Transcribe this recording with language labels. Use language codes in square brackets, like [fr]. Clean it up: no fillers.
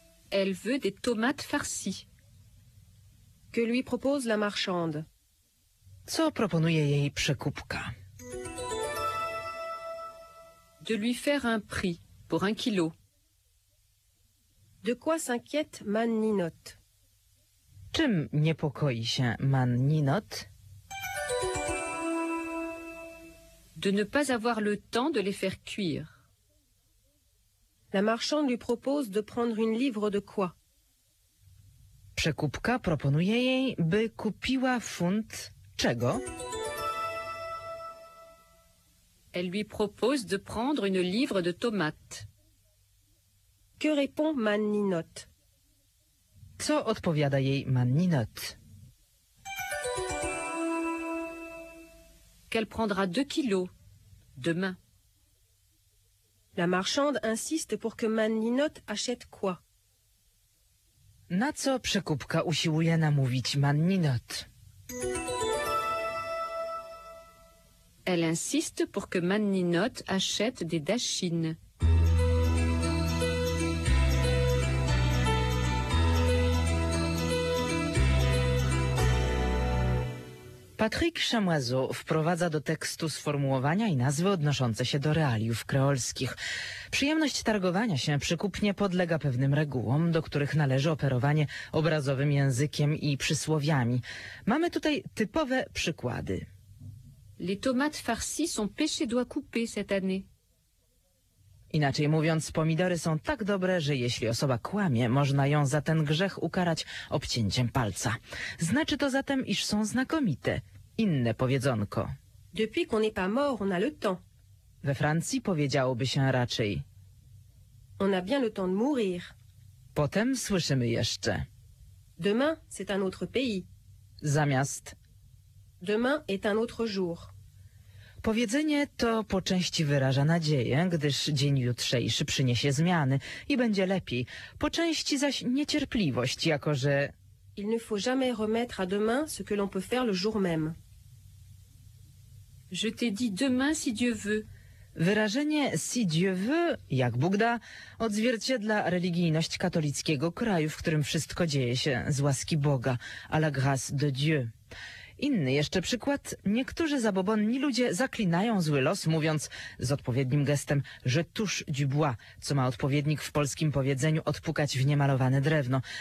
[fr] Elle veut des tomates farcies. Que lui propose la marchande? [pl] Co proponuje jej przekupka? [fr] De lui faire un prix pour un kilo. De quoi s'inquiète man Ninot? [pl] Czym niepokoi się man Ninot? [fr] De ne pas avoir le temps de les faire cuire. La marchande lui propose de prendre une livre de quoi? [pl] Przekupka proponuje jej, by kupiła funt czego? [fr] Elle lui propose de prendre une livre de tomates. Que répond man Ninot? [pl] Co odpowiada jej man Ninot? [fr] Qu'elle prendra 2 kilos demain. La marchande insiste pour que man Ninot achète quoi? [pl] Na co przekupka usiłuje namówić man Ninot? [fr] Elle insiste pour que man Ninot achète des dachines. [pl] Patrick Chamoiseau wprowadza do tekstu sformułowania i nazwy odnoszące się do realiów kreolskich. Przyjemność targowania się przekupnie podlega pewnym regułom, do których należy operowanie obrazowym językiem i przysłowiami. Mamy tutaj typowe przykłady. [fr] Les tomates farcies sont pêchées doigts coupés cette année. [pl] Inaczej mówiąc, pomidory są tak dobre, że jeśli osoba kłamie, można ją za ten grzech ukarać obcięciem palca. Znaczy to zatem, iż są znakomite. Inne powiedzonko. [fr] Depuis qu'on n'est pas mort, on a le temps. [pl] We Francji powiedziałoby się raczej. [fr] On a bien le temps de mourir. [pl] Potem słyszymy jeszcze. [fr] Demain, c'est un autre pays. [pl] Zamiast. [fr] Demain est un autre jour. [pl] Powiedzenie to po części wyraża nadzieję, gdyż dzień jutrzejszy przyniesie zmiany i będzie lepiej. Po części zaś niecierpliwość, jako że... [fr] Il ne faut jamais remettre à demain ce que l'on peut faire le jour même. Je t'ai dit demain si Dieu veut. [pl] Wyrażenie [fr] si Dieu veut, [pl] jak Bóg da, odzwierciedla religijność katolickiego kraju, w którym wszystko dzieje się z łaski Boga, [fr] à la grâce de Dieu. [pl] Inny jeszcze przykład. Niektórzy zabobonni ludzie zaklinają zły los, mówiąc z odpowiednim gestem, że tuż dziubła, co ma odpowiednik w polskim powiedzeniu odpukać w niemalowane drewno.